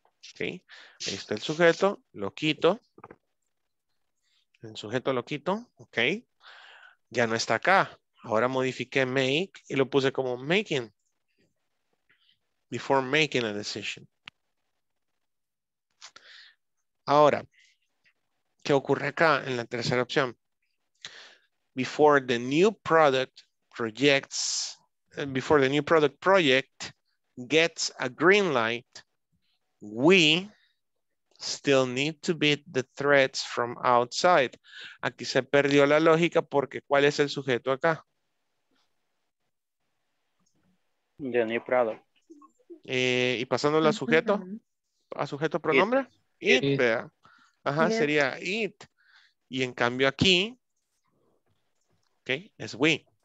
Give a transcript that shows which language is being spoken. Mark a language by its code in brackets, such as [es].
[es] Ok. Ahí está el sujeto. Lo quito. El sujeto lo quito. Ok. Ya no está acá. Ahora modifiqué make y lo puse como making. [en] Before making a decision. [es] Ahora, ¿qué ocurre acá en la tercera opción? [en] Before the new product projects, before the new product project gets a green light, we still need to beat the threats from outside. [es] Aquí se perdió la lógica porque ¿cuál es el sujeto acá? [en] The new product. [es] Y pasándolo a sujeto. Uh-huh. A sujeto pronombre. It. ¿Verdad? Ajá, yes. Sería it. Y en cambio aquí. Ok, es we.